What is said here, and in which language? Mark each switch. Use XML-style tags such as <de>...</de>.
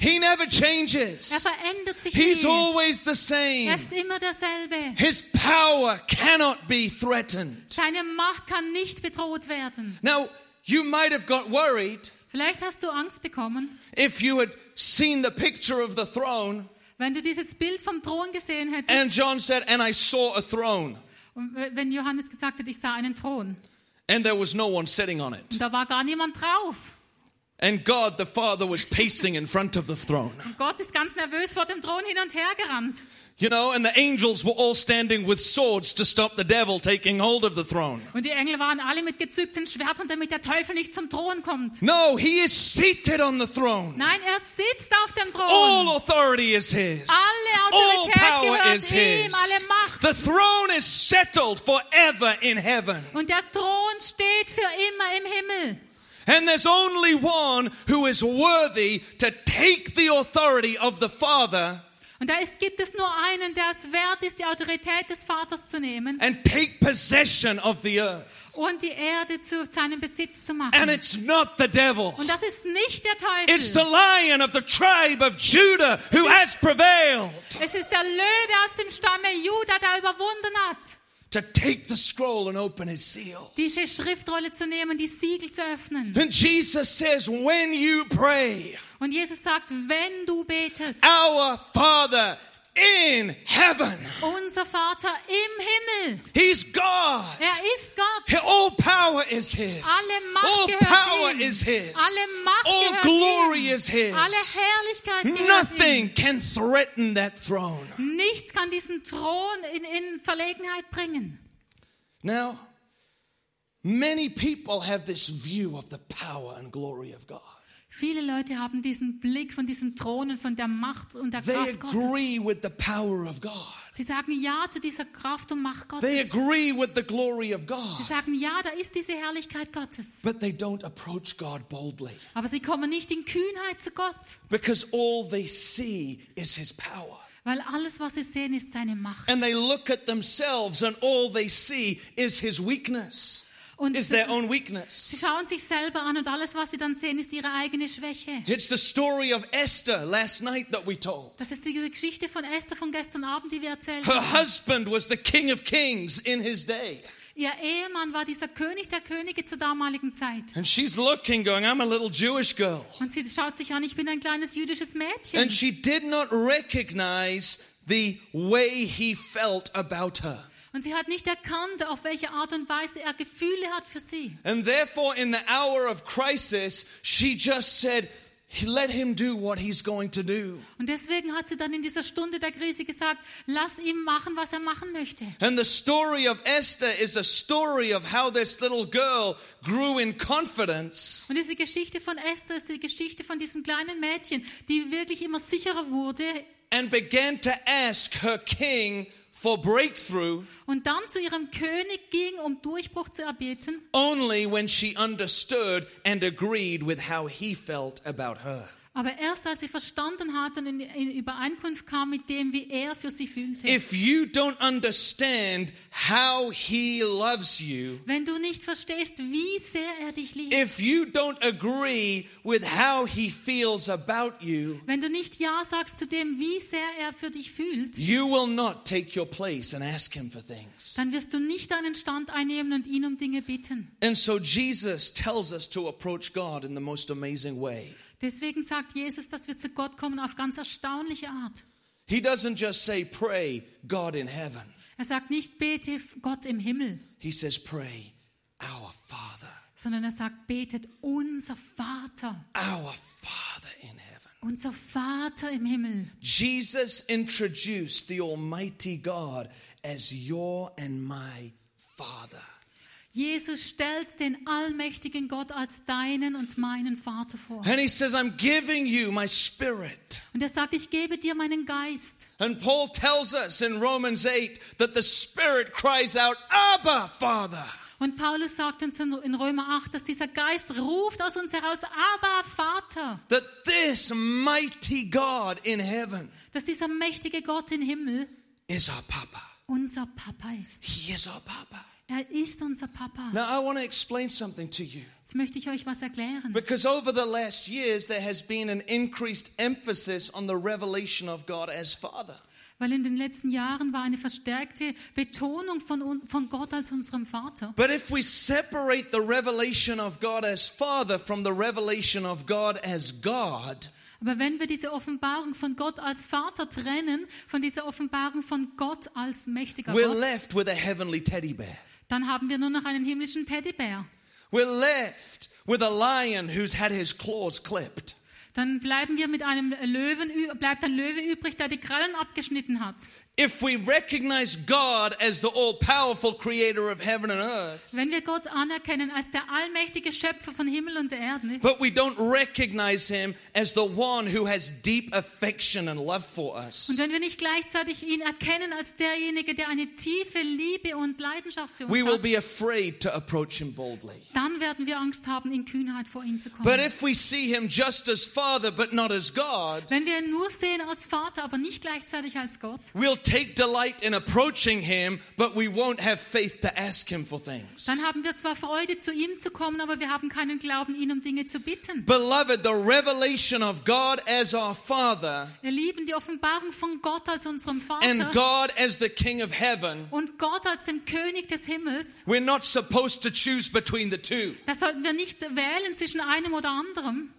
<en>He never changes.</en> <de>Er verändert sich</de> <en>He's</en> <de>nie.</de> <en>He's always the same.</en> <de>Er ist immer derselbe.</de> <en>His power cannot be threatened.</en> <de>Seine Macht kann nicht bedroht werden.</de> <en>Now, you might have got worried.</en> <de>Vielleicht hast du Angst bekommen.</de> <en>If you had seen the picture of the throne.</en> <de>Wenn du dieses Bild vom Thron gesehen hättest.</de> <en>And John said, and I saw a throne.</en> <de>Wenn Johannes gesagt hat, ich sah einen Thron.</de> <en>And there was no one sitting on it.</en> <de>Und da war gar niemand drauf.</de> <en>And God the Father was pacing in front of the throne.</en> <de>Und Gott ist ganz nervös vor dem Thron hin und her gerannt.</de> <en>You know, and the angels were all standing with swords to stop the devil taking hold of the throne.</en> <de>Und die Engel waren alle mit gezückten Schwertern, damit der Teufel nicht zum Thron kommt.</de> <en>No, he is seated on the throne.</en> <de>Nein, er sitzt auf dem Thron.</de> <en>All authority is his.</en> <de>Alle Autorität</de> <en>all power</en> <de>gehört</de> <en>is</en> <de>ihm.</de> <en>His.</en> <de>Alle Macht.</de> <en>The throne is settled forever in heaven.</en> <de>Und der Thron steht für immer im Himmel.</de> <en>And there's only one who is worthy to take the authority of the Father.</en> <de>Und da gibt es nur einen, der es wert ist, die Autorität des Vaters zu nehmen.</de> <en>And take possession of the earth.</en> <de>Und die Erde zu seinem Besitz zu machen.</de> <en>And it's not the devil.</en> <de>Und das ist nicht der Teufel.</de> <en>It's the lion of the tribe of Judah who has prevailed.</en> <de>Es ist der Löwe aus dem Stamme Juda, der überwunden hat.</de> <en>To take the scroll and open his seals.</en> <de>Diese Schriftrolle zu nehmen, die Siegel zu öffnen.</de> <en>And Jesus says, when you pray.</en> <de>Und Jesus sagt, wenn du betest.</de> <en>Our Father in heaven.</en> <de>Unser Vater im Himmel.</de> <en>He's God.</en> <de>Er ist Gott.</de> <en>All power is his.</en> <de>Alle Macht</de> <en>All</en> <de>gehört</de> <en>power</en> <de>ihm.</de> <en>Is his.</en> <de>Alle Macht</de> <en>All</en> <de>gehört</de> <en>glory</en> <de>ihm.</de> <en>Is his.</en> <de>Alle Herrlichkeit gehört</de> <en>Nothing</en> <de>ihm.</de> <en>Can threaten that throne.</en> <de>Nichts kann diesen Thron in Verlegenheit bringen.</de> <en>Now, many people have this view of the power and glory of God.</en> <de>Viele Leute haben diesen Blick von diesem Thron und von der Macht und der</de> <en>They</en> <de>Kraft</de> <en>agree</en> <de>Gottes.</de> <en>With the power of God.</en> <de>Sie sagen ja zu dieser Kraft und Macht Gottes.</de> <en>They agree with the glory of God.</en> <de>Sie sagen ja, da ist diese Herrlichkeit Gottes.</de> <en>But they don't approach God boldly.</en> <de>Aber sie kommen nicht in Kühnheit zu Gott.</de> <en>Because all they see is his power.</en> <de>Weil alles, was sie sehen, ist seine Macht.</de> <en>And they look at themselves and all they see is his weakness. Is their own weakness.</en> <de>Sie schauen sich selber an und alles, was sie dann sehen, ist ihre eigene Schwäche.</de> <en>It's the story of Esther last night that we told.</en> <de>Das ist die Geschichte von Esther von gestern Abend, die wir erzählt haben.</de> <en>Her husband was the king of kings in his day.</en> <de>Ihr Ehemann war dieser König der Könige zur damaligen Zeit.</de> <en>And she's looking, going, I'm a little Jewish girl.</en> <de>Und sie schaut sich an, ich bin ein kleines jüdisches Mädchen.</de> <en>And she did not recognize the way he felt about her.</en> <de>Und sie hat nicht erkannt, auf welche Art und Weise er Gefühle hat für sie.</de> <en>And therefore in the hour of crisis, she just said, let him do what he's going to do.</en> <de>Und deswegen hat sie dann in dieser Stunde der Krise gesagt, lass ihm machen, was er machen möchte.</de> <en>And the story of Esther is a story of how this little girl grew in confidence.</en> <de>Und diese Geschichte von Esther ist die Geschichte von diesem kleinen Mädchen, die wirklich immer sicherer wurde.</de> <en>And began to ask her king for breakthrough.</en> <de>Und dann zu ihrem König ging, um Durchbruch zu erbeten.</de> <en>Only when she understood and agreed with how he felt about her.</en> <de>Aber erst als sie verstanden hat und in Übereinkunft kam mit dem, wie er für sie fühlte.</de> <en>If you don't understand how he loves you.</en> <de>Wenn du nicht verstehst, wie sehr er dich liebt.</de> <en>If you don't agree with how he feels about you.</en> <de>Wenn du nicht ja sagst zu dem, wie sehr er für dich fühlt.</de> <en>You will not take your place and ask him for things.</en> <de>Dann wirst du nicht deinen Stand einnehmen und ihn um Dinge bitten.</de> <en>And so Jesus tells us to approach God in the most amazing way.</en> <de>Deswegen sagt Jesus, dass wir zu Gott kommen auf ganz erstaunliche Art.</de> <en>He doesn't just say, pray, God in heaven.</en> <de>Er sagt nicht, bete Gott im Himmel.</de> <en>He says, pray, our Father.</en> <de>Sondern er sagt, betet unser Vater.</de> <en>Our Father in heaven.</en> <de>Unser Vater im Himmel.</de> <en>Jesus introduced the Almighty God as your and my Father.</en> <de>Jesus stellt den allmächtigen Gott als deinen und meinen Vater vor.</de> <en>And he says, I'm giving you my spirit.</en> <de>Und er sagt, ich gebe dir meinen Geist.</de> <en>And Paul tells us in Romans 8 that the spirit cries out, Abba, Father.</en> <de>Und Paulus sagt uns in Römer 8, dass dieser Geist ruft aus uns heraus, Abba, Vater.</de> <en>That this mighty God in heaven.</en> <de>Dass dieser mächtige Gott im Himmel</de> <en>is our Papa.</en> <de>Unser Papa ist.</de> <en>He is our Papa.</en> <de>Er ist unser Papa.</de> <en>Now I want to explain something to you.</en> <de>Jetzt möchte ich euch was erklären.</de> <en>Because over the last years there has been an increased emphasis on the revelation of God as Father.</en> <de>Weil in den letzten Jahren war eine verstärkte Betonung von Gott als unserem Vater.</de> <en>But if we separate the revelation of God as Father from the revelation of God as God.</en> <de>Aber wenn wir diese Offenbarung von Gott als Vater trennen, von dieser Offenbarung von Gott als mächtiger Gott,</de> <en>we're left with a heavenly teddy bear.</en> <de>Dann haben wir nur noch einen himmlischen Teddybär.</de> <en>We're left with a lion who's had his claws clipped.</en> <de>Dann bleiben wir mit einem Löwen, bleibt ein Löwe übrig, der die Krallen abgeschnitten hat.</de> <en>If we recognize God as the all-powerful creator of heaven and earth.</en> <de>Wenn wir Gott anerkennen als der allmächtige Schöpfer von Himmel und Erde.</de> <en>But we don't recognize him as the one who has deep affection and love for us.</en> <de>Und wenn wir nicht gleichzeitig ihn erkennen als derjenige, der eine tiefe Liebe und Leidenschaft für uns hat.</de> <en>We will be afraid to approach him boldly.</en> <de>Dann werden wir Angst haben, in Kühnheit vor ihn zu kommen.</de> <en>But if we see him just as Father but not as God.</en> <de>Wenn wir ihn nur sehen als Vater, aber nicht gleichzeitig als Gott.</de> <en>We'll take delight in approaching him, but we won't have faith to ask him for things.</en> <de>Dann haben wir zwar Freude, zu ihm zu kommen, aber wir haben keinen Glauben, ihn um Dinge zu bitten.</de> <en>Beloved, the revelation of God as our Father.</en> <de>Ihr Lieben, die Offenbarung von Gott als unserem Vater.</de> <en>And God as the King of Heaven.</en> <de>Und Gott als dem König des Himmels.</de> <en>We're not supposed to choose between the two.</en> <de>Da sollten wir nicht wählen zwischen einem oder anderem.</de>